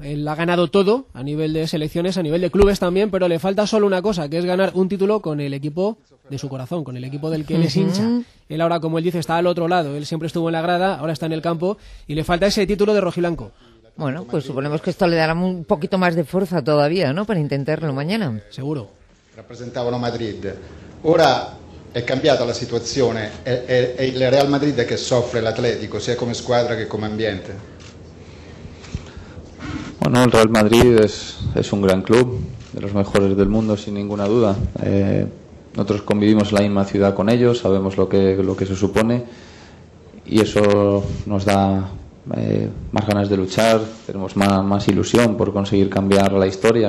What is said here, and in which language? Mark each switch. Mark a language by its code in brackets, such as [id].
[es] Él ha ganado todo a nivel de selecciones, a nivel de clubes también, pero le falta solo una cosa, que es ganar un título con el equipo de su corazón, con el equipo del que él es hincha. Él ahora, como él dice, está al otro lado. Él siempre estuvo en la grada, ahora está en el campo y le falta ese título de rojiblanco. Bueno, pues suponemos que esto le dará un poquito más de fuerza todavía, ¿no?, para intentarlo mañana. Seguro. [it] Representavano Madrid. Ora è cambiata la situazione, è il Real Madrid che soffre l'Atletico, sia come squadra che come ambiente. [es] Bueno, il Real Madrid es un gran club, de los mejores del mundo sin ninguna duda. Nosotros convivimos en la misma ciudad con ellos, sabemos lo que se supone y eso nos da más ganas de luchar, tenemos más ilusión por conseguir cambiar la historia.